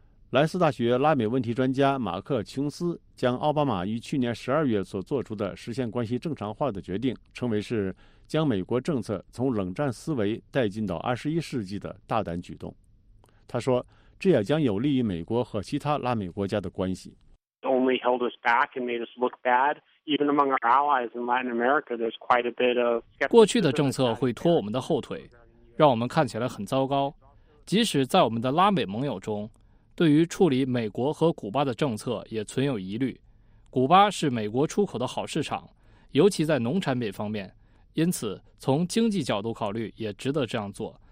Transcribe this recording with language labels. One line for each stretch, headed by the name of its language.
Chinese: 莱斯大学拉美问题专家马克·琼斯将奥巴马于去年12月所做出的实现关系正常化的决定称为是将美国政策从冷战思维带进到21世纪的大胆举动。他说，这也将有利于美国和其他拉美国家的关系。
English: only held us back and made us look bad. Even among our allies in Latin America, there's quite a bit of skepticism.
Chinese: 过去的政策会拖我们的后腿，让我们看起来很糟糕。即使在我们的拉美盟友中，对于处理美国和古巴的政策也存有疑虑。古巴是美国出口的好市场，尤其在农产品方面，因此从经济角度考虑也值得这样做。